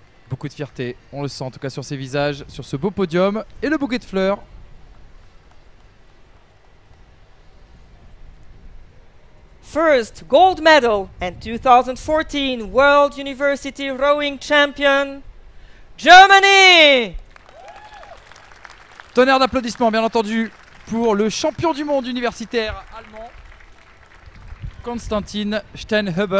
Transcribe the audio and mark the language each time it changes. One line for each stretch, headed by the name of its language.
French: Beaucoup de fierté, on le sent en tout cas sur ses visages, sur ce beau podium et le bouquet de fleurs.
English: First gold medal and 2014 World University Rowing Champion, Germany!
French: Tonnerre d'applaudissements, bien entendu, pour le champion du monde universitaire allemand, Konstantin Steinhübel.